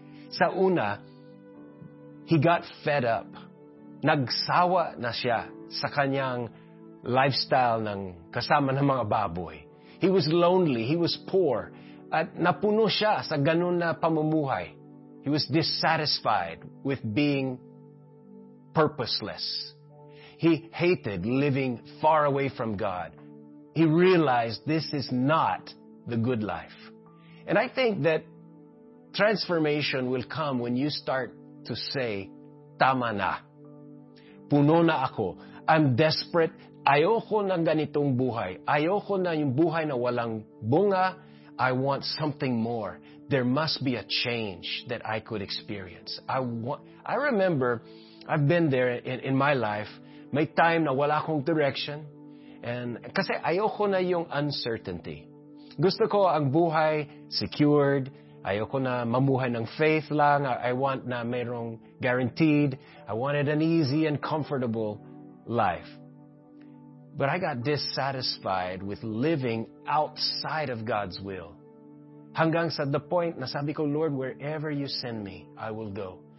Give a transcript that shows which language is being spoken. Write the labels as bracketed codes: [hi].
[tl] Sa una, [en] he got fed up. [tl] Nagsawa na siya sa kanyang lifestyle ng kasama ng mga baboy. [en] He was lonely. He was poor. [tl] At napuno siya sa ganun na pamumuhay. [en] He was dissatisfied with being purposeless. He hated living far away from God. He realized this is not the good life. And I think that transformation will come when you start to say, [tl] tama na. Puno na ako. [en] I'm desperate. [tl] Ayoko na ganitong buhay. Ayoko na yung buhay na walang bunga. [en] I want something more. There must be a change that I could experience. I remember, I've been there in my life. [tl] May time na wala akong direction. And kasi ayoko na yung uncertainty. Gusto ko ang buhay secured. Ayoko na mamuhay ng faith lang. [en] I want [tl] na mayroong [en] guaranteed. I wanted an easy and comfortable life. But I got dissatisfied with living outside of God's will. [tl] Hanggang sa [en] the point [tl] na sabi ko, [en] Lord, wherever you send me, I will go.